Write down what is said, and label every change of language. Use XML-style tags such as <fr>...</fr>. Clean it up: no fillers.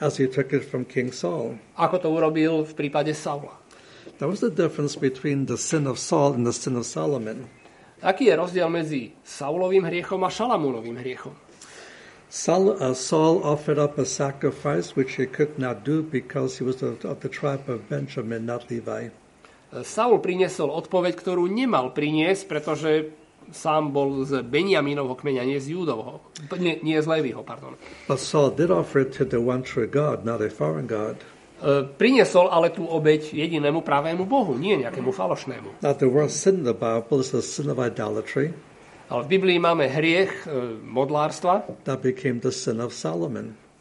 <en>As he took it from King Saul.</en> <sk>Ako to urobil v prípade Saula.</sk> <en>That was the difference between the sin of Saul and the sin of Solomon.</en> <sk>Aký je rozdiel medzi Saulovým hriechom a Šalamúnovým hriechom?</sk> <en>Saul offered up a sacrifice which he could not do because he was of the tribe of Benjamin, not Levi.</en> <sk>Saul priniesol odpoveď, ktorú nemal priniesť, pretože sám bol z Benjaminovho kmeňa, nie z Júdovho. Nie z Lévyho, pardon.</sk> <en>But Saul did offer it to the one true God, not a foreign God.</en> <sk>Priniesol ale tú obeť jedinému pravému Bohu, nie nejakému falošnému.</sk> <en>Now the worst sin in the Bible is the sin of idolatry.</en> <sk>Ale v Biblii máme hriech modlárstva.</sk> <en>That became the sin of Solomon.</en>